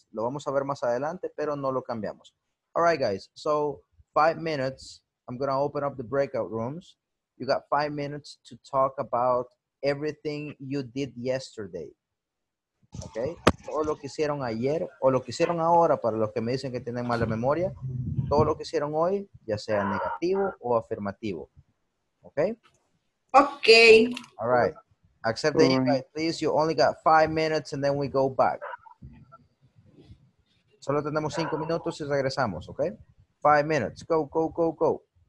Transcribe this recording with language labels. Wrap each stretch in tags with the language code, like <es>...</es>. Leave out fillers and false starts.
<es>Lo vamos a ver más adelante, pero no lo cambiamos.</es> <en>All right, guys. So, 5 minutes. I'm going to open up the breakout rooms. You got 5 minutes to talk about everything you did yesterday. Okay?</en> <es>Todo lo que hicieron ayer, o lo que hicieron ahora, para los que me dicen que tienen mala memoria, todo lo que hicieron hoy, ya sea negativo o afirmativo.</es> <en>Okay? Okay. All right. Accept the invite, please. You only got 5 minutes and then we go back.</en> <es>Solo tenemos 5 minutos y regresamos, okay?</es> <en>5 minutes. Go.</en>